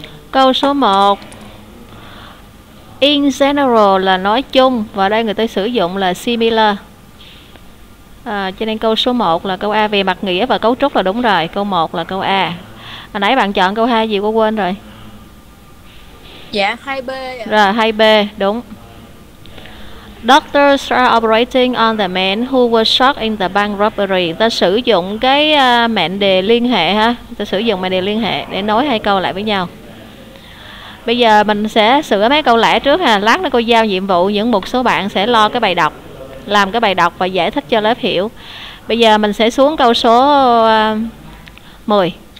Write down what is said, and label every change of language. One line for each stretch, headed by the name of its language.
Vietnamese: Câu số 1.
English: In general
Vietnamese: là nói chung, và đây người ta sử dụng là similar. Cho nên câu số 1 là câu A về mặt nghĩa và cấu trúc là đúng rồi, câu 1 là câu A. Hồi nãy bạn chọn câu 2 gì cô quên rồi. Dạ 2B ạ. Rồi 2B đúng.
English: Doctors are operating on the man who was shot in the bank robbery.
Vietnamese: Ta sử dụng cái mệnh đề liên hệ ha, ta sử dụng mệnh đề liên hệ để nối hai câu lại với nhau. Bây giờ mình sẽ sửa mấy câu lẻ trước ha. Lát nữa cô giao nhiệm vụ những một số bạn sẽ lo cái bài đọc, làm cái bài đọc và giải thích cho lớp hiểu. Bây giờ mình sẽ xuống câu số 10.